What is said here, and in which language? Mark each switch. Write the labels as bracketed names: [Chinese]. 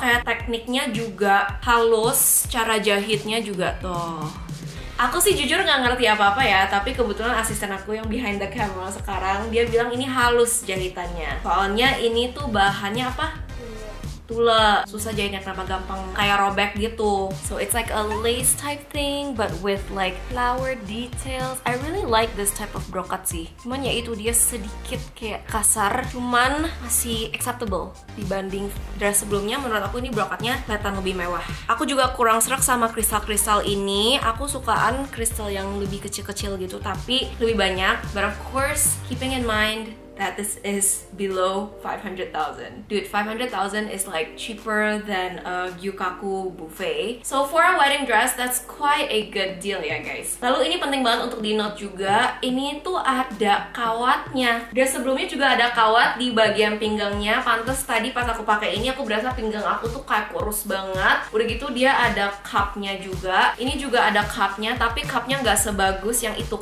[Indonesian] Kayak tekniknya juga halus, cara jahitnya juga tuh. Aku sih jujur gak ngerti apa-apa ya, tapi kebetulan asisten aku yang [English] behind the camera [Indonesian] sekarang, dia bilang ini halus jahitannya. Soalnya ini tuh bahannya apa? Tule. Susah jahitnya, kenapa gampang kayak robek gitu. [English] So it's like a lace type thing, but with like flower details. I really like this type of brokat sih. [Indonesian] Cuman ya itu, dia sedikit kayak kasar, cuman masih acceptable. Dibanding dress sebelumnya, menurut aku ini brokatnya kelihatan lebih mewah. Aku juga kurang srek sama kristal-kristal ini. Aku sukaan kristal yang lebih kecil-kecil gitu, tapi lebih banyak. [English] But of course, keeping in mind that this is below 500,000. Dude, 500,000 is like cheaper than a Gyukaku buffet. So for a wedding dress, that's quite a good deal ya guys. [Indonesian] Lalu ini penting banget untuk di note juga, ini tuh ada kawatnya. Dan sebelumnya juga ada kawat di bagian pinggangnya. Pantes tadi pas aku pakai ini, aku berasa pinggang aku tuh kayak kurus banget. Udah gitu dia ada cupnya juga. Ini juga ada cupnya, tapi cupnya nggak sebagus yang itu.